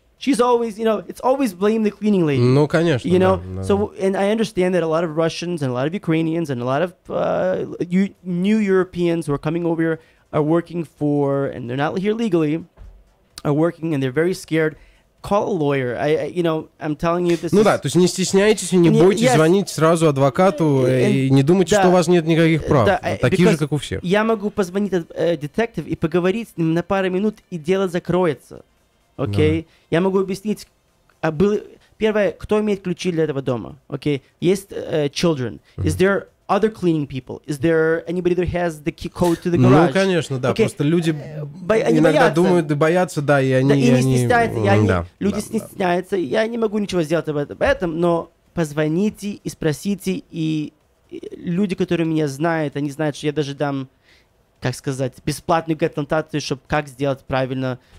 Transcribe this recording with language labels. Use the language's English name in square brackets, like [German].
[English] She's always, you know, it's always blame the cleaning lady. [Russian] Ну, конечно. [English] You know, so, and I understand that a lot of Russians and a lot of Ukrainians and a lot of new Europeans who are coming over here are working for, and they're not here legally, are working and they're very scared. Call a lawyer. I'm telling you this. [Russian] Ну да, то есть не стесняйтесь и не бойтесь звонить сразу адвокату и не думайте, что у вас нет никаких прав, таких же, как у всех. Я могу позвонить детектив и поговорить с ним на пару минут, и дело закроется. Окей, я могу объяснить. Первое, кто имеет ключи для этого дома? Окей, есть [English] children. Is there other cleaning people? Is there anybody that has the key code to the garage? [Russian] Ну, конечно, да. Okay. Просто люди думают, боятся, да, и они. Да, и не стесняются. Люди стесняются. Я не могу ничего сделать об этом, но позвоните и спросите, и люди, которые меня знают, они знают, что я даже дам, как сказать, бесплатную консультацию, чтобы как сделать правильно.